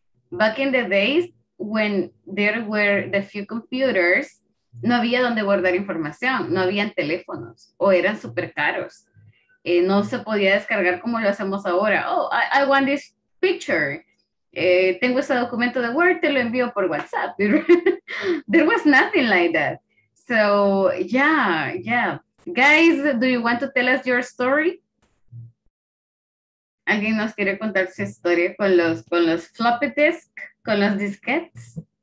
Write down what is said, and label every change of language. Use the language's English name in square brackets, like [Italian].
[English] Back in the days, when there were the few computers, [Spanish] no había donde guardar información, no habían teléfonos, o eran súper caros. No se podía descargar como lo hacemos ahora. [English] Oh, I want this picture. [Spanish] Tengo ese documento de Word, te lo envío por WhatsApp. [English] There was nothing like that. So, yeah, yeah. Guys, do you want to tell us your story? [Spanish] ¿Alguien nos quiere contar su historia con los floppy disk, con los disquetes?